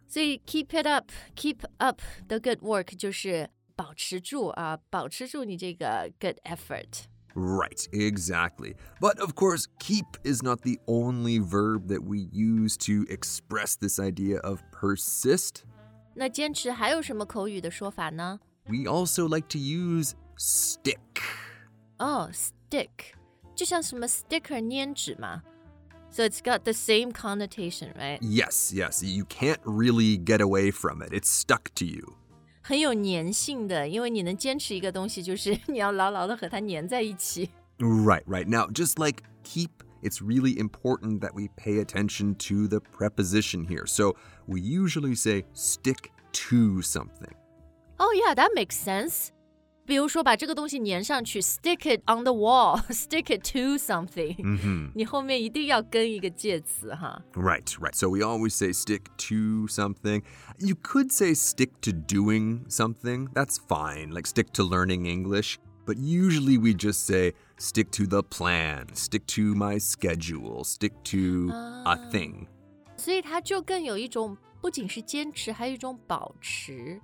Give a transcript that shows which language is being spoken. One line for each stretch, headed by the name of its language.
English: So keep it up. Keep up the good work
Chinese: 就是保持住啊，保持住你这个
English: good effort. Right, exactly. But of course, keep is not the only verb that we use to express this idea of persist.
Chinese: 那坚持还有什么口语的说法呢？
English: We also like to use stick. Oh, stick.
Chinese: 就像什么 sticker 粘纸嘛。
English: So it's got the same connotation, right? Yes, yes. You can't really get away from it. It's stuck to you.
Chinese: 很有粘性的,因为你能坚持一个东西就是你要牢牢地和它粘在一起。
English: Right, right. Now, just like keep, it's really important that we pay attention to the preposition here. So we usually say stick to something. Oh, yeah, that makes sense.
Chinese: 比如说把这个东西粘上去
English: stick it on the wall, stick it to something.、 Mm-hmm.
Chinese: 你后面一定要跟一个介词哈。
English: Right, right. So we always say stick to something. You could say stick to doing something. That's fine, like stick to learning English. But usually we just say stick to the plan, stick to my schedule, stick to、a thing.
Chinese: 所以它就更有一种不仅是坚持还有一种保持。